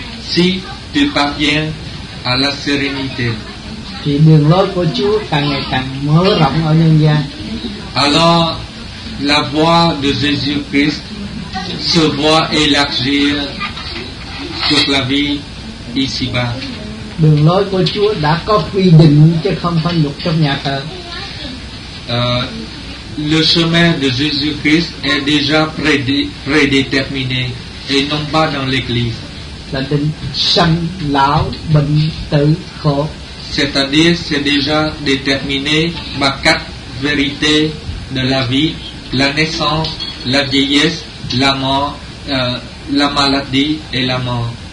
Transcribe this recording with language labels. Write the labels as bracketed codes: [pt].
[fr] Si tu parviens à la sérénité. [vi] Thì đường lối của Chúa càng ngày càng mở rộng ở nhân gian. [fr] Alors, la voie de Jésus-Christ se voit élargir sur la vie ici-bas. [vi] Đường lối của Chúa đã có quy định chứ không phải luật trong nhà thờ. [fr] Le chemin de Jésus-Christ est déjà prédéterminé et non pas dans l'église. [vi] Là định sanh lão bệnh tử khổ. [fr] C'est-à-dire, c'est déjà déterminé ma quatre vérités de la vie, la naissance, la vieillesse, la mort, la maladie et la mort.